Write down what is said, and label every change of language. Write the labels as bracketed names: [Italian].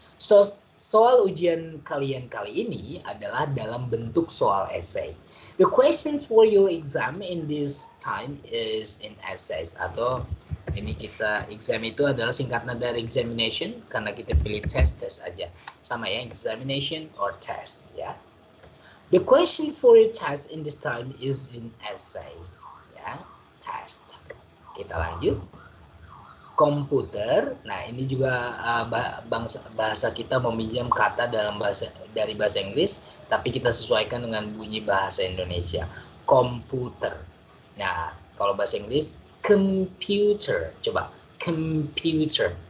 [Indonesian] So, soal ujian kalian kali ini adalah dalam bentuk soal esai. [English] The questions for your exam in this time is in essays [Indonesian] atau ini kita exam itu adalah singkatan dari examination karena kita pilih test aja. Sama ya, examination or test, ya. [English] The question for your test in this time is in essays, ya. [Indonesian] Test. Kita lanjut. Komputer. Nah, ini juga bahasa kita meminjam kata dalam bahasa dari bahasa Inggris, tapi kita sesuaikan dengan bunyi bahasa Indonesia. Komputer. Nah, kalau bahasa Inggris computer, coba computer,